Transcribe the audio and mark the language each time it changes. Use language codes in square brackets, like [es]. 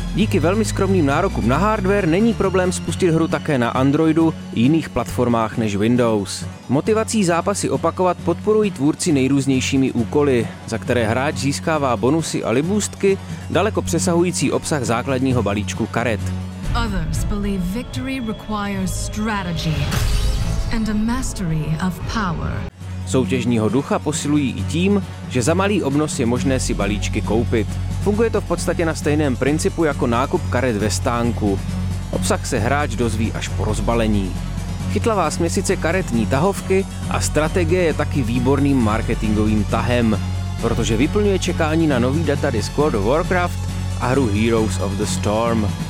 [cs] Díky velmi skromným nárokům na hardware není problém spustit hru také na Androidu i jiných platformách než Windows. Motivací zápasy opakovat podporují tvůrci nejrůznějšími úkoly, za které hráč získává bonusy a libůstky, daleko přesahující obsah základního balíčku karet. [en] Others believe victory requires strategy and a mastery of power. [cs] Soutěžního ducha posilují i tím, že za malý obnos je možné si balíčky koupit. Funguje to v podstatě na stejném principu jako nákup karet ve stánku. Obsah se hráč dozví až po rozbalení. Chytlavá směsice karetní tahovky a strategie je taky výborným marketingovým tahem, protože vyplňuje čekání na nový datadisk World of Warcraft a hru Heroes of the Storm.